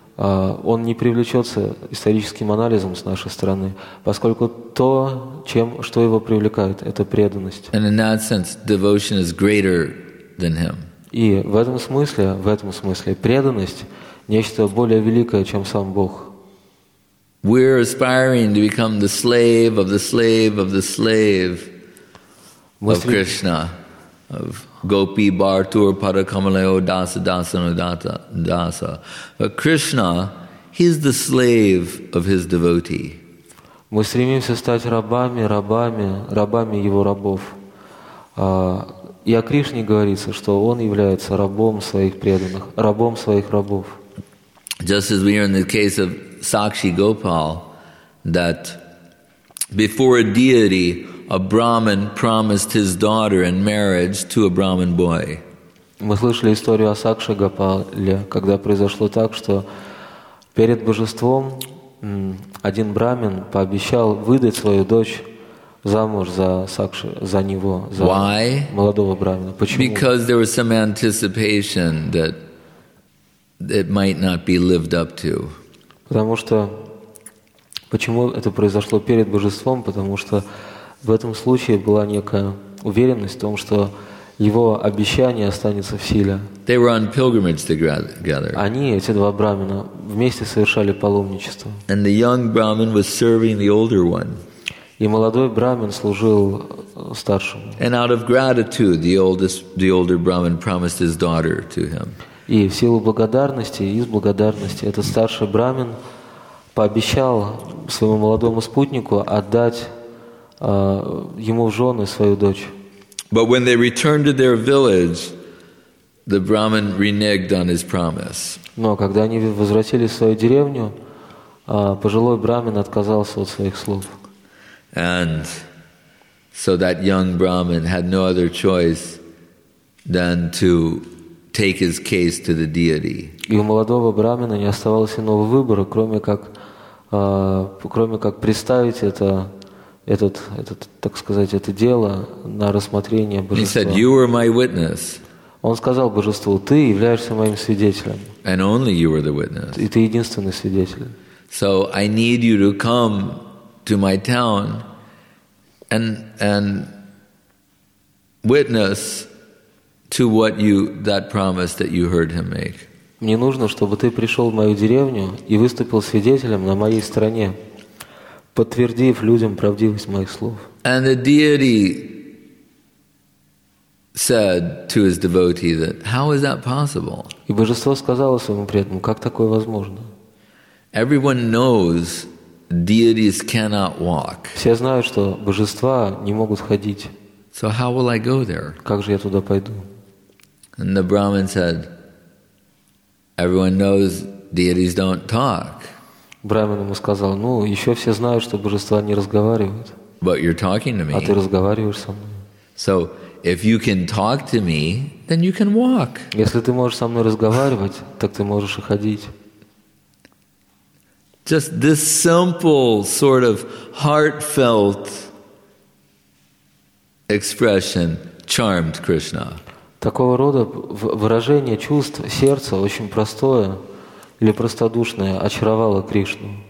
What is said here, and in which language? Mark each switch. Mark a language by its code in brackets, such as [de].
[ru] Он не привлечется историческим анализом с нашей стороны, поскольку то, чем, что его привлекает, это преданность. [en] And in that sense, devotion is greater than him. [ru] И в этом смысле, преданность – нечто более великое, чем сам Бог. [en] We're aspiring to become the slave of the slave of the slave of Krishna, of [sa] Gopi Bhartur Parakamalayo Dasa Dasa Nudata Dasa. [en] But Krishna, he's the slave of his devotee. [ru] Мы стремимся стать рабами его рабов. И о Кришне говорится, что он является рабом своих преданных, рабом своих рабов. [en] Just as we hear in the case of Sakshi Gopal, that before a deity, a Brahmin promised his daughter in marriage to a Brahmin boy. [ru] Мы слышали историю о Сакши Гопале, когда произошло так, что перед божеством один брамин пообещал выдать свою дочь замуж за Сакши, за него, за [en] Why? [ru] Молодого брамина. Почему? [en] Because there was some anticipation that it might not be lived up to. [ru] Потому что почему это произошло перед божеством? Потому что в этом случае была некая уверенность в том, что его обещание останется в силе. [en] They were on pilgrimage together. [ru] Они, эти два брамина, вместе совершали паломничество. [en] And the young brahmin was serving the older one. [ru] И молодой брамин служил старшему. [en] And out of gratitude, the older brahmin promised his daughter to him. [ru] И в силу благодарности, из благодарности, этот старший брамин пообещал своему молодому спутнику отдать ему в жены свою дочь. [en] But when they returned to their village, the brahmin reneged on his promise. [ru] Но когда они возвратились в свою деревню, пожилой брамин отказался от своих слов. [en] And so that young brahmin had no other choice than to take his case to the deity. [ru] И у молодого брамина не оставалось иного выбора, кроме как представить это дело на рассмотрение божества. [en] He said, "You are my witness." [ru] Он сказал божеству: "Ты являешься моим свидетелем." [en] And only you are the witness. [ru] И ты единственный свидетель. [en] So I need you to come to my town and witness to what you that promise that you heard him make. [ru] Мне нужно, чтобы ты пришел в мою деревню и выступил свидетелем на моей стороне, подтвердив людям правдивость моих слов. [en] And the deity said to his devotee that, how is that possible? [ru] И божество сказало своему преданному, как такое возможно? [en] Everyone knows deities cannot walk. [ru] Все знают, что божества не могут ходить. [en] So how will I go there? [ru] Как же я туда пойду? [en] And the Brahmin said, everyone knows deities don't talk. [ru] Брамин ему сказал, ну, еще все знают, что божества не разговаривают. [en] But you're talking to me. [ru] А ты разговариваешь со мной. [en] So, if you can talk to me, then you can walk. [ru] Если ты можешь со мной разговаривать, так ты можешь и ходить. [en] Just this simple sort of heartfelt expression charmed Krishna. [ru] Такого рода выражение чувств сердца, очень простое или простодушное, очаровало Кришну.